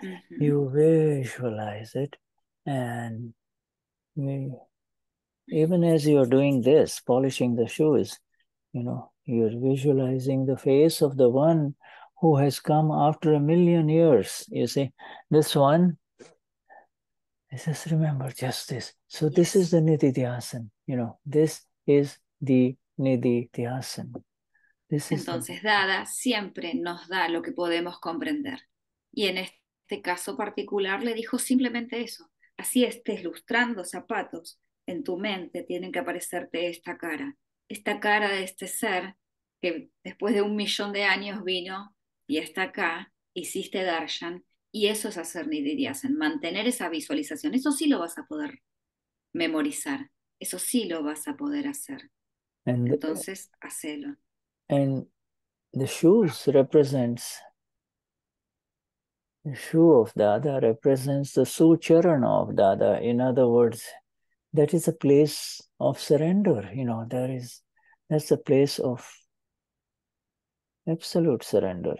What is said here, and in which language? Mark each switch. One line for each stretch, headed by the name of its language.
English: You visualize it. And even as you're doing this, polishing the shoes, you know, you're visualizing the face of the one who has come after a million years. You see, this one, I just remember just this. So yes. This is the nididhyasan, you know, this is the nididhyasan. This is
Spanish: Entonces, Dada siempre nos da lo que podemos comprender. Y en este caso particular le dijo simplemente eso. Así estés lustrando zapatos, en tu mente tienen que aparecerte esta cara de este ser que después de un millón de años vino y está acá, hiciste Darshan, y eso es hacer nididhyasan, mantener esa visualización. Eso sí lo vas a poder memorizar, eso sí lo vas a poder hacer. Entonces, hacelo.
English: And the shoes represents, the shoe of Dada represents the sucharana of Dada. In other words, that is a place of surrender, you know, there is, that's a place of absolute surrender.